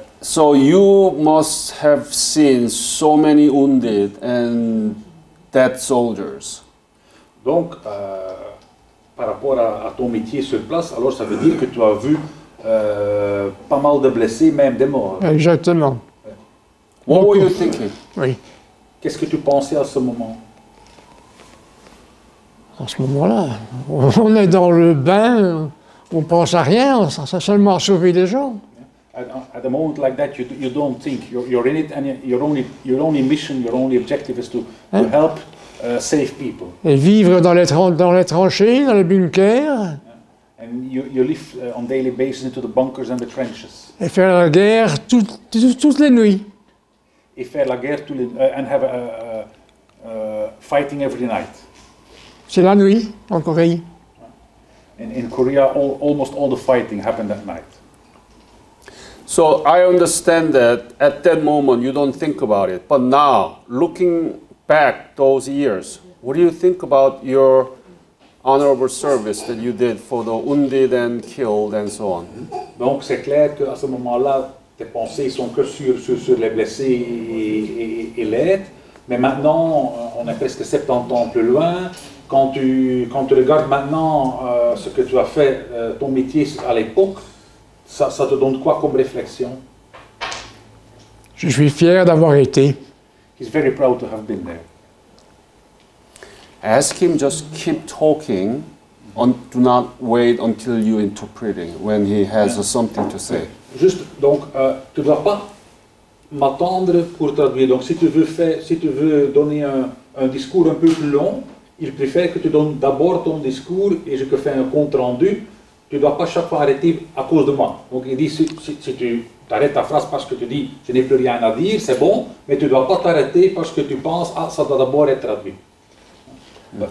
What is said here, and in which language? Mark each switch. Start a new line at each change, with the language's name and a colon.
English: So you must have seen so many wounded and dead soldiers.
French: Donc, par rapport à ton métier sur place, alors ça veut dire que tu as vu pas mal de blessés, même des morts. Exactement.
English: What were you thinking?
French: Oui. Qu'est-ce que tu pensais à ce moment? À ce moment-là, on est dans le bain, on ne pense à rien, on s'est seulement sauvé des gens. At a moment like that, you don't think. You're in it, and your only mission, your only objective is to help, save people. Et vivre dans les tranchées, dans les bunkers.
English: Yeah. And you live on daily basis into the bunkers and the trenches.
French: Et faire la guerre toutes les nuits. Et faire la guerre tous les
English: and have a fighting every night.
French: C'est la nuit en Corée.
English: In Korea, almost all the fighting happened at night. So I understand that at that moment you don't think about it, but now looking back those years, what do you think about your honorable service that you did for the wounded and killed and so on?
French: Donc c'est clair que à ce moment-là tes pensées sont que sur les blessés et l'aide, mais maintenant on est presque 70 ans plus loin. Quand tu regardes maintenant ce que tu as fait ton métier à l'époque. Ça te donne quoi comme réflexion? Je suis fier d'avoir été.
English: He's very proud to have been there. Ask him, just keep talking. Do not wait until you interpret it when he has something to say.
French: Juste, donc, tu ne dois pas m'attendre pour traduire. Donc, si tu veux donner un discours un peu plus long, il préfère que tu donnes d'abord ton discours et je te fais un compte-rendu. Tu ne dois pas chaque fois arrêter à cause de moi. Donc il dit, si tu t'arrêtes ta phrase parce que tu dis « je n'ai plus rien à dire », c'est bon, mais tu ne dois pas t'arrêter parce que tu penses « ah, ça doit d'abord être traduit ».